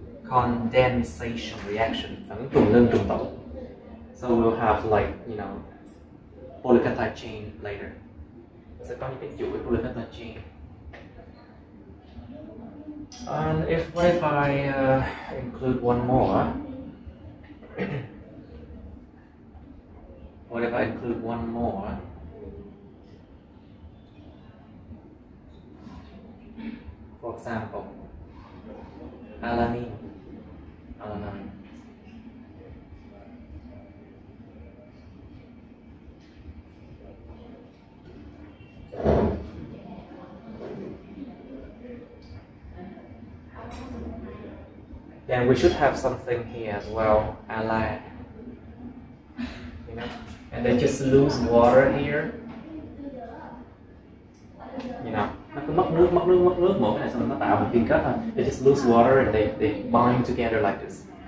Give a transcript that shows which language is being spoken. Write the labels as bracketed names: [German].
[Vietnamese] Phản ứng trùng ngâm trùng tụ. [English] So we'll have like, you know, polypeptide chain later. [Vietnamese] Sẽ có những cái chuỗi polypeptide chain. [English] And if I include one more, what if I include one more? For example, alanine. Then we should have something here as well, allyl. You know? And then just lose water here. You know? [Vietnamese] Nó cứ mất nước, một cái này xong rồi nó tạo một liên kết thôi. [English] They just lose water and they bind together like this.